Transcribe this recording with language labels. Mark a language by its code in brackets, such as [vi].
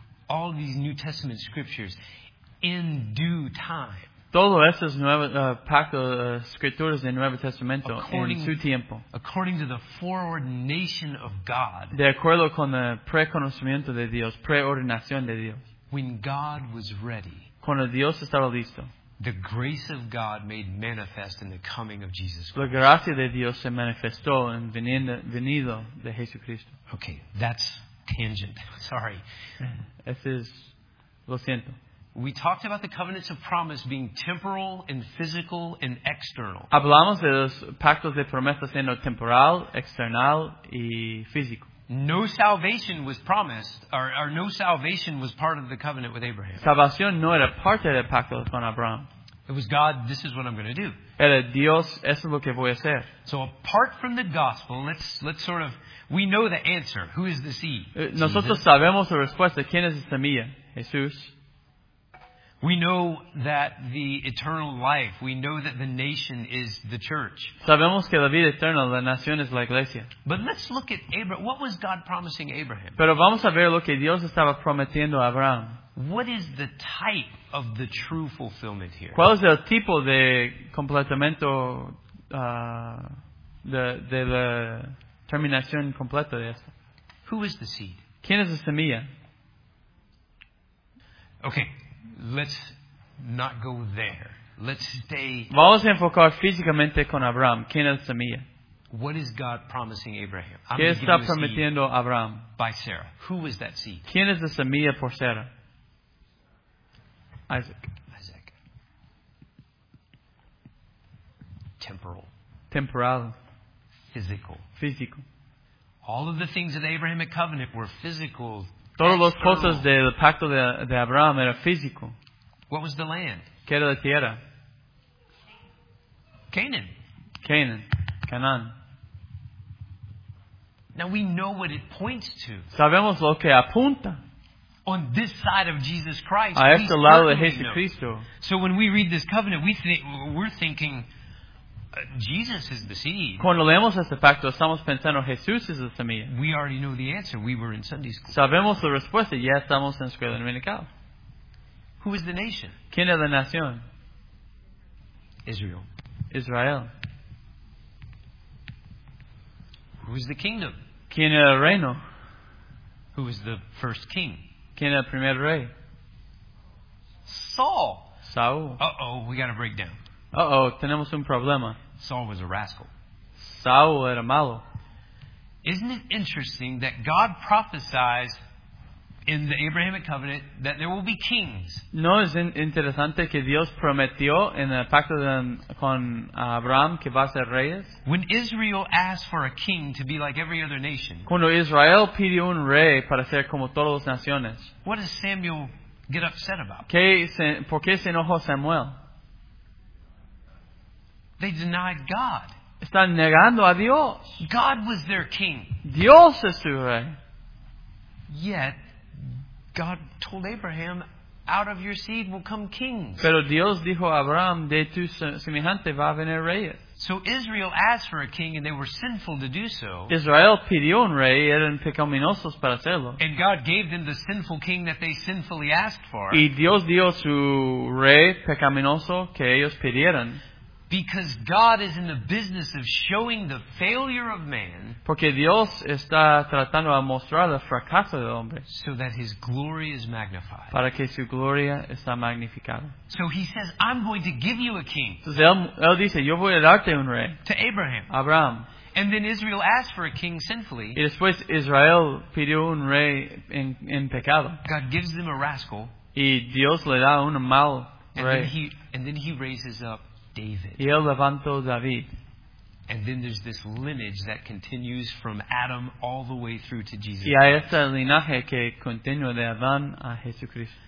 [en] All these New Testament scriptures in due time. [es] Todo esto es nuevo, pacto de escrituras del Nuevo Testamento en su tiempo. [en] According to the foreordination of God. [es] De acuerdo con el preconocimiento de Dios, preordenación de Dios. [en] When God was ready. [es] Cuando Dios estaba listo. [en] The grace of God made manifest in the coming of Jesus Christ. [es] La gracia de Dios se manifestó en venido de Jesucristo. [en] Okay, that's tangent. Sorry. [es] Lo siento. [en] We talked about the covenants of promise being temporal and physical and external. [es] Hablamos de los pactos de promesa siendo temporal, external y físico. [en] No salvation was part of the covenant with Abraham. [es] Salvación no era parte del pacto con Abraham. [en] It was God, this is what I'm going to do. [es] Era Dios, eso es lo que voy a hacer. [en] So apart from the gospel, let's sort of, we know the answer. Who is the seed? [es] Nosotros sabemos la respuesta. ¿Quién es la semilla? Jesús. [en] We know that the eternal life, we know that the nation is the church. [es] Sabemos que la vida eterna, la nación es la iglesia. [en] But let's look at Abraham. What was God promising Abraham? [es] Pero vamos a ver lo que Dios estaba prometiendo a Abraham. [en] What is the type of the true fulfillment here? [es] ¿Cuál es el tipo de completamiento, de la terminación completa de esto? [en] Who is the seed? [es] ¿Quién es la semilla? [en] Okay. Let's not go there. Let's stay. [es] Vamos a enfocar físicamente con Abraham. ¿Quién es la semilla? [en] What is God promising Abraham? [es] ¿Qué está prometiendo Abraham? [en] By Sarah. Who is that seed? [es] ¿Quién es la semilla por Sarah? Isaac. [en] Isaac. Temporal. [es] Temporal. [en] Physical. Physical. All of the things of the Abrahamic covenant were physical. [es] Todas las cosas del pacto de Abraham era físico. [en] What was the land? [es] ¿Qué era la tierra? [en] Canaan. Now we know what it points to. [es] Sabemos lo que apunta. [en] On this side of Jesus Christ. [es] A este lado de Jesucristo. [en] So when we read this covenant, we're thinking Jesus is the seed. [es] Cuando leemos este pacto, estamos pensando Jesús es la semilla. [en] We already know the answer. We were in Sunday school. [es] Sabemos la respuesta. Ya estamos en escuela dominical. [en] Who is the nation? [es] ¿Quién es la nación? [en] Israel. [es] Israel. [en] Who is the kingdom? [es] ¿Quién es el reino? [en] Who is the first king? [es] ¿Quién es el primer rey? [en] Saul. [es] Saul. [en] Uh-oh, we got a breakdown. [es] Uh-oh, tenemos un problema. [en] Saul was a rascal. [es] Saul era malo. [en] Isn't it interesting that God prophesies in the Abrahamic covenant that there will be kings? [es] ¿No es interesante que Dios prometió en el pacto con Abraham que va a ser reyes? [en] When Israel asked for a king to be like every other nation, [es] cuando Israel pidió un rey para ser como todas las naciones, [en] what does Samuel get upset about? [es] ¿Por qué se enojó Samuel? [en] They denied God. [es] Están negando a Dios. [en] God was their king. [es] Dios es su rey. [en] Yet, God told Abraham, out of your seed will come kings. [es] Pero Dios dijo a Abraham, de tu semejante va a venir reyes. [en] So Israel asked for a king and they were sinful to do so. [es] Israel pidió un rey y eran pecaminosos para hacerlo. [en] And God gave them the sinful king that they sinfully asked for. [es] Y Dios dio su rey pecaminoso que ellos pidieron. [en] Because God is in the business of showing the failure of man, [es] porque Dios está tratando de mostrar el fracaso del hombre, [en] so that his glory is magnified. [es] Para que su gloria está magnificada. [en] So he says, I'm going to give you a king. [es] Entonces él dice, yo voy a darte un rey. [en] To Abraham. [es] Abraham. [en] And then Israel asked for a king sinfully. [es] Y después Israel pidió un rey en pecado. [en] God gives them a rascal. [es] Y Dios le da un mal rey. [en] And then he raises up David. [es] Y él levantó David. [en] And then there's this lineage that continues from Adam all the way through to Jesus. [es] Y hay este linaje que continúa de Adán a Jesucristo.